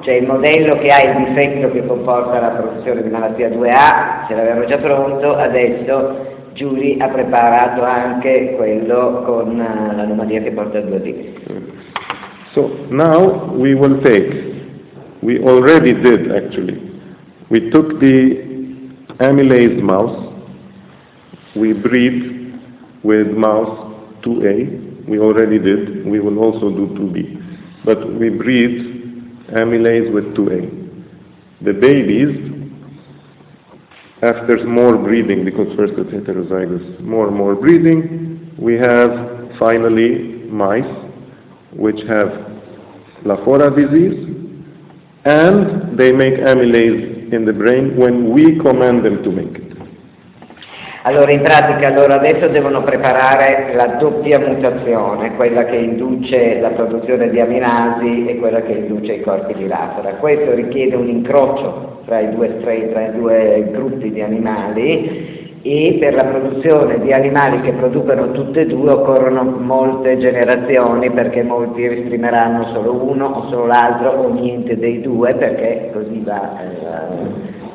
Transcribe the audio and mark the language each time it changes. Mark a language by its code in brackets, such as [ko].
[it] Cioè il modello che ha il difetto che comporta la produzione di malattia 2A, ce l'avevano già pronto, adesso Julie ha preparato anche quello con l'anomalia che porta 2B. [en] So now we will take, we already did actually, we took the amylase mouse, we breed with mouse 2A, we already did, we will also do 2B, but we breed amylase with 2A. The babies, after more breeding, because first it's heterozygous, more breeding, we have finally mice which have Lafora disease, and they make amylase in the brain when we command them to make it. [it] Allora, in pratica, loro adesso devono preparare la doppia mutazione, quella che induce la produzione di amilasi e quella che induce i corpi di Lafora. Questo richiede un incrocio tra i due strain, tra i due gruppi di animali, e per la produzione di animali che producono tutte e due occorrono molte generazioni, perché molti esprimeranno solo uno o solo l'altro o niente dei due, perché così va